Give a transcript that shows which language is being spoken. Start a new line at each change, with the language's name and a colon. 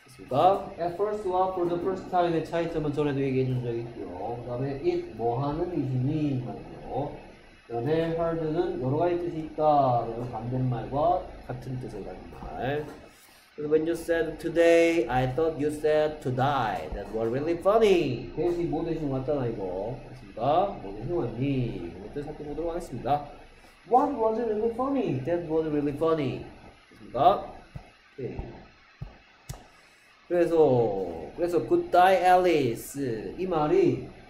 Korean: 맞습니다.
English: at first was for the first time
Korean: 의 차이점은 전에도 얘기해 준 적이 있고요. 그 다음에 it 뭐 하는 의심이 있나요? 그다음에 hard는 여러 가지 뜻이 있다. 그래서 반대말과 같은 뜻을 가진 말. 그래서
English: when you said today, I thought you said to die. That was really funny.
Korean: 대신 뭐 대신 왔잖아 이거. 맞습니다. 뭐 대신 왔니? 이것들 살펴보도록 하겠습니다.
English: What was really funny? That was really funny.
Korean: 맞습니다. 오케이. 그래서 goodbye Alice 이 말이.